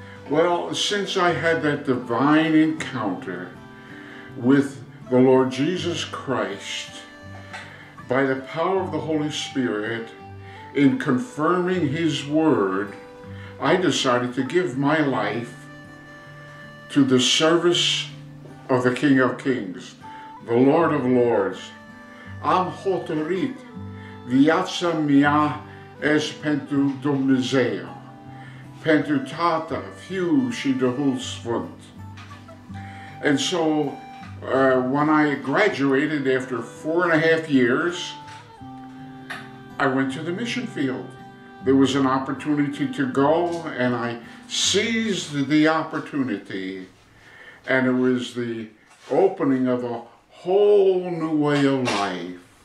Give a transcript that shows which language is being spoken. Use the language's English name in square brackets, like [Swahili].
[English] Well, since I had that divine encounter with the Lord Jesus Christ, by the power of the Holy Spirit, in confirming His word, I decided to give my life to the service of the King of Kings, the Lord of Lords. [Romanian] Am hotărât, viața mea este pentru Dumnezeu, pentru Tată, Fiu și Duhul Sfânt. [English] And so, when I graduated after 4.5 years, I went to the mission field. There was an opportunity to go, and I seized the opportunity, and it was the opening of a whole new way of life.